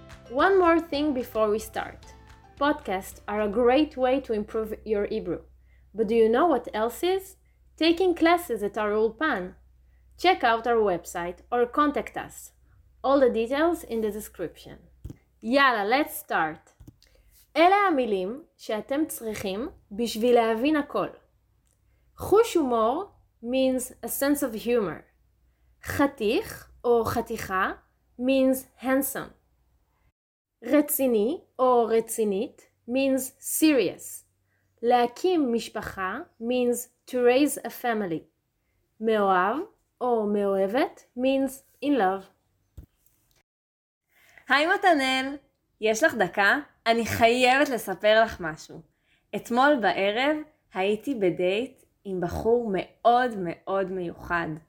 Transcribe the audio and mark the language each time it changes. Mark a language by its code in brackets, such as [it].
[en] One more thing before we start. Podcasts are a great way to improve your Hebrew. But do you know what else is? Taking classes at our Ulpan. Check out our website or contact us. All the details in the description. יאללה, let's start. [he] אלה המילים שאתם צריכים בשביל להבין הכל. חוש הומור [en] means a sense of humor. [he] חתיך או חתיכה [en] means handsome. [he] רציני או רצינית [en] means serious. [he] להקים משפחה [en] means to raise a family. [he] מאוהב או מאוהבת [en] means in love. [he] היי מתנאל, יש לך דקה? אני חייבת לספר לך משהו. אתמול בערב הייתי בדייט עם בחור מאוד מאוד מיוחד.